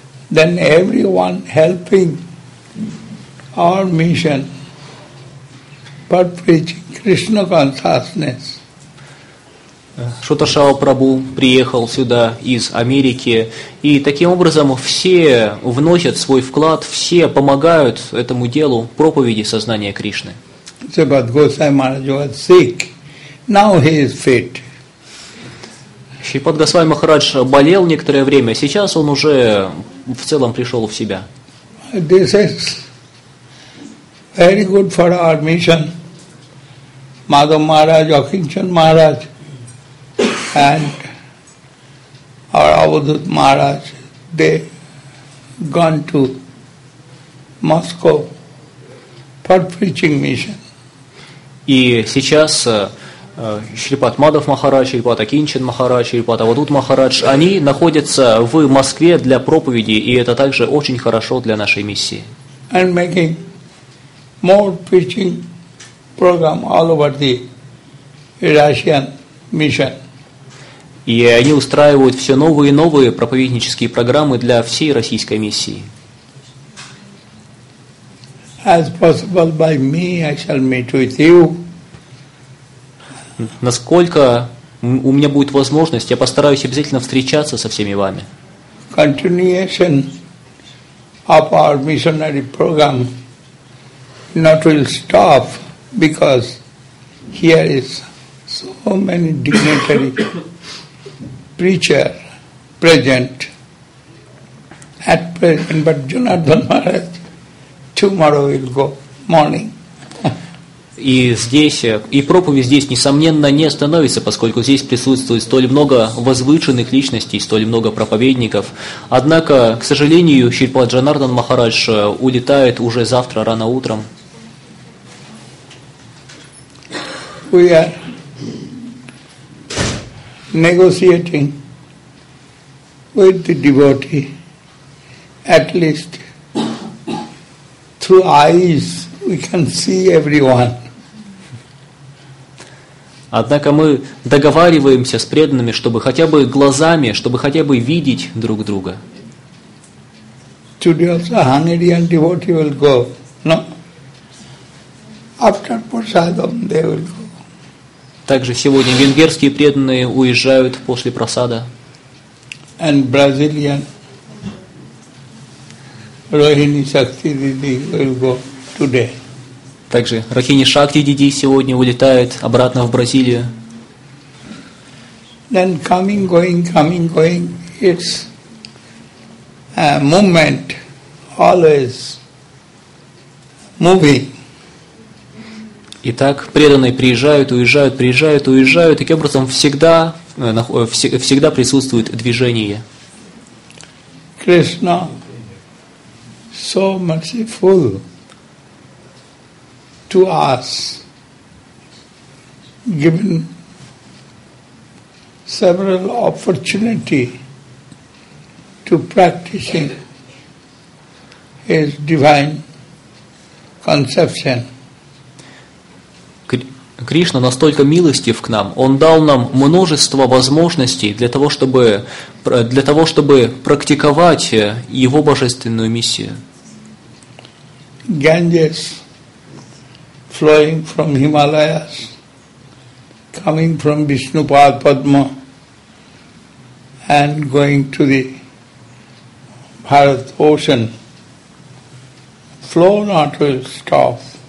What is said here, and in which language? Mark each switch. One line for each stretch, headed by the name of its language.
English: Then everyone helping our mission for preaching Krishna consciousness.
Russian: Шутаршава Прабху приехал сюда из Америки, и таким образом все вносят свой вклад, все помогают этому делу проповеди сознания Кришны.
English: Шрипад Госвами Махарадж was sick. Now he is fit.
Russian: Шрипад Госвами Махарадж болел некоторое время, сейчас он уже в целом пришел в себя.
English: This is very good for our mission. Madhav Maharaj, Akinchan Maharaj and our Avadhut Maharaj, they gone to Moscow for preaching mission.
Russian: И сейчас Шрипат Мадхав Махарадж, Шрипат Акинчан Махарадж, Шрипат Авадут Махарадж, они находятся в Москве для проповеди, и это также очень хорошо для нашей миссии.
English: And making more preaching program all over the Russian mission.
Russian: И они устраивают все новые и новые проповеднические программы для всей российской миссии.
English: As possible by me, I shall meet with you.
Russian: Насколько у меня будет возможность, я постараюсь обязательно встречаться со всеми вами.
English: Continuation of our missionary program not will stop because here is so many dignitary preacher present at present, but Jonathan Maharaj tomorrow will go morning.
Russian: И здесь, и проповедь здесь, несомненно, не остановится, поскольку здесь присутствует столь много возвышенных личностей, столь много проповедников. Однако, к сожалению, Шрипад Джанардан Махарадж улетает уже завтра рано утром.
English: We are negotiating with the devotee, at least through eyes we can see everyone.
Russian: Однако мы договариваемся с преданными, чтобы хотя бы глазами, чтобы хотя бы видеть друг друга.
English: Today also Hungarian devotee will go. No. After prasadam they will go.
Russian: Также сегодня венгерские преданные уезжают после прасада.
English: And Brazilian Rohini Shakti Didi will go today.
Russian: Также Рахини Шакти Диди сегодня улетает обратно в Бразилию.
English: Then coming, going, it's a movement, always moving.
Russian: Итак, преданные приезжают, уезжают, приезжают, уезжают. Таким образом, всегда присутствует движение.
English: Krishna, so merciful. To us, given several opportunity to practicing his divine conception.
Russian: Кришна настолько милостив к нам. Он дал нам множество возможностей для того, чтобы практиковать его божественную миссию.
English: Ganges. Flowing from Himalayas, coming from Vishnupad Padma, and going to the Bharat Ocean, flow not will stop.